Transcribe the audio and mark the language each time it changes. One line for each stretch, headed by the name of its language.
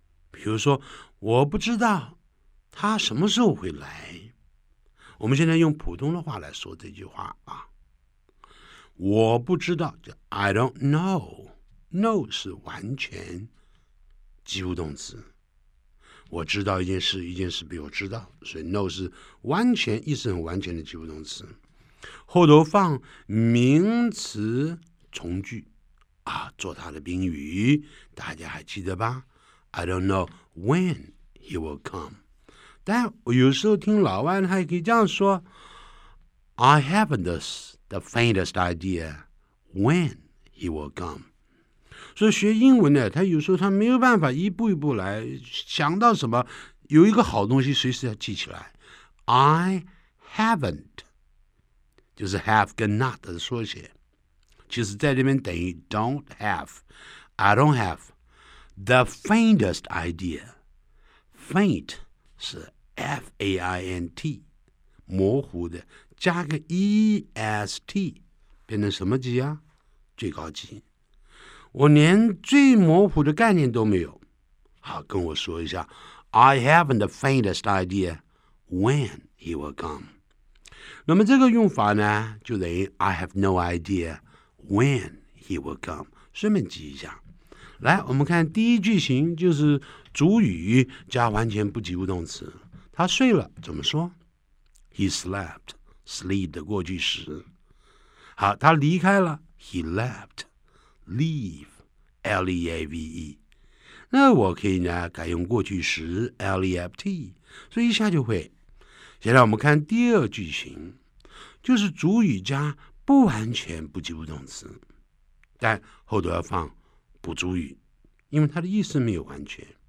Chinese: 比如说我不知道他什么时候会来，我们现在用普通的话来说这句话啊，我不知道就
English: I don't know，
Chinese: know 是完全及物动词，我知道一件事，一件事比我知道，所以 know 是完全，意思很完全的及物动词。后头放名词从句啊，做它的宾语，大家还记得吧？
English: I don't know when he will come，
Chinese: 但我有时候听老外他也可以这样说，
English: I haven't the faintest idea when he will come。
Chinese: 所以学英文呢，他有时候他没有办法一步一步来，想到什么有一个好东西随时要记起来。
English: I haven't
Chinese: 就是 have 跟 not 的缩写，其实在这边等于 don't have，
English: I don't haveThe faintest idea，
Chinese: faint 是 F-A-I-N-T， 模糊的，加个 E-S-T 变成什么级啊？最高级。我连最模糊的概念都没有。好，跟我说一下。
English: I haven't the faintest idea when he will come.
Chinese: 那么这个用法呢，就等于
English: I have no idea when he will come.
Chinese: 顺便记一下。来，我们看第一句型，就是主语加完全不及物动词。他睡了，怎么说？
English: He slept,
Chinese: sleep 的过去时。 好，他离开了，
English: He left,
Chinese: leave, L-E-A-V-E。那我可以呢改用过去时 left， 所以一下就会。现在我们看第二句型，就是主语加不完全不及物动词，但后头要放补主语，因为它的意思没有完全。